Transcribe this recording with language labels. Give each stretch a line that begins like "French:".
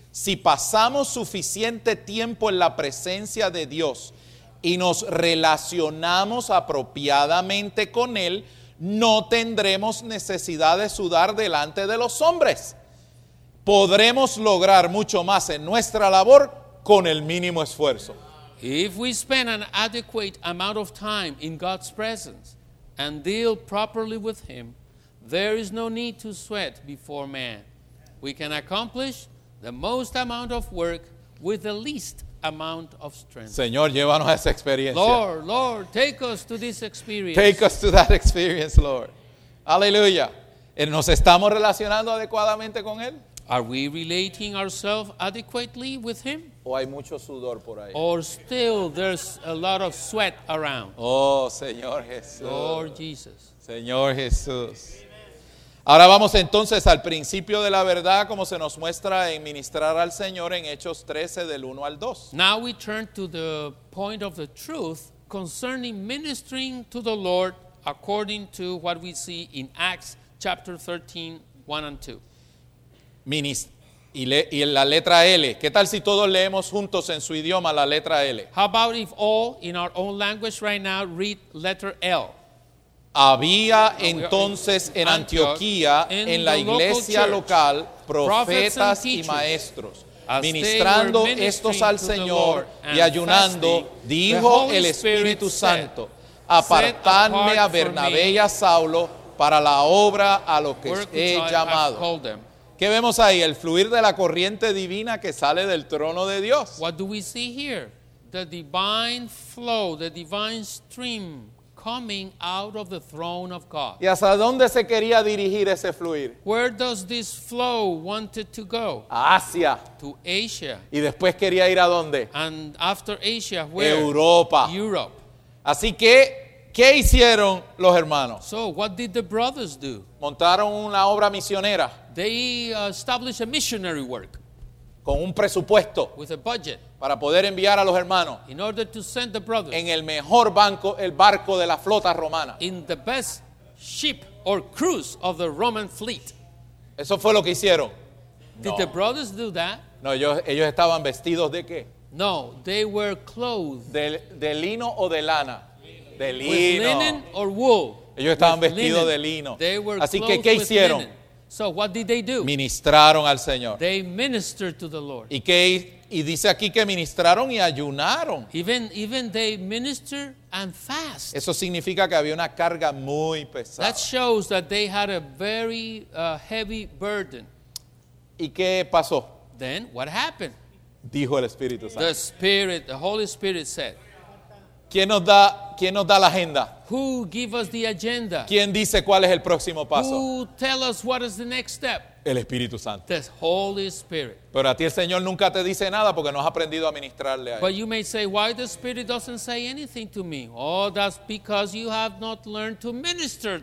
Spanish: Si pasamos suficiente tiempo en la presencia de Dios y nos relacionamos apropiadamente con Él, no tendremos necesidad de sudar delante de los hombres. Podremos lograr mucho más en nuestra labor con el mínimo esfuerzo.
English: If we spend an adequate amount of time in God's presence and deal properly with Him, there is no need to sweat before man. We can accomplish the most amount of work with the least amount of strength.
Spanish: Señor, llévanos a esa experiencia.
English: Lord, take us to this experience. Take us to that experience, Lord.
Spanish: Aleluya. ¿Nos estamos relacionando adecuadamente con Él?
English: Are we relating ourselves adequately with Him?
Spanish: O hay mucho sudor por ahí.
English: Or still there's a lot of sweat around.
Spanish: Oh, Señor Jesús.
English: Lord Jesus.
Spanish: Señor Jesús. Ahora vamos entonces al principio de la verdad, como se nos muestra en ministrar al Señor en Hechos 13, del 1 al 2.
English: Now we turn to the point of the truth concerning ministering to the Lord according to what we see in Acts chapter 13, 1 and 2.
Spanish: Y la letra L. ¿Qué tal si todos leemos juntos en su idioma la letra L?
English: How about if all in our own language right now read letter L?
Spanish: Había entonces en Antioquía, en la iglesia local, profetas y maestros. Ministrando estos al Señor y ayunando, dijo el Espíritu Santo, apartadme a Bernabé y a Saulo para la obra a lo que he llamado. ¿Qué vemos ahí? El fluir de la corriente divina que sale del trono de Dios.
English: What do we see here? The divine flow, the divine stream coming out of the throne of God.
Spanish: ¿Y hasta dónde se quería dirigir ese fluir?
English: Where does this flow wanted to go?
Spanish: A Asia.
English: To Asia.
Spanish: ¿Y después quería ir a dónde?
English: And after Asia, where?
Spanish: Europa.
English: Europe.
Spanish: Así que, ¿qué hicieron los hermanos?
English: So, what did the brothers do?
Spanish: Montaron una obra misionera.
English: They established a missionary work.
Spanish: Con un presupuesto.
English: With a budget.
Spanish: Para poder enviar a los hermanos.
English: In order to send the brothers.
Spanish: En el mejor banco, el barco de la flota romana.
English: In the best ship or cruise of the Roman fleet.
Spanish: Eso fue lo que hicieron.
English: Did the brothers do that?
Spanish: No, ellos estaban vestidos de qué?
English: No, they were clothed.
Spanish: De lino o de lana. De lino.
English: With linen or wool.
Spanish: Ellos estaban vestidos de lino.
English: They were
Spanish: Así que, ¿qué hicieron?
English: Linen. So, what did they do?
Spanish: Ministraron al Señor.
English: They ministered to the Lord.
Spanish: Y dice aquí que ministraron y ayunaron.
English: Even they minister and fast.
Spanish: Eso significa que había una carga muy pesada.
English: That shows that they had a very heavy burden.
Spanish: ¿Y qué pasó?
English: Then, what happened?
Spanish: Dijo el Espíritu Santo.
English: The Holy Spirit said.
Spanish: ¿Quién nos da la agenda?
English: Who give us the agenda?
Spanish: ¿Quién dice cuál es el próximo paso?
English: Who tell us what is the next step?
Spanish: El Espíritu Santo.
English: The Holy Spirit.
Spanish: Pero a ti el Señor nunca te dice nada porque no has aprendido a ministrarle a él.
English: But you may say, why the Spirit doesn't say anything to me? Oh, that's because you have not learned to minister to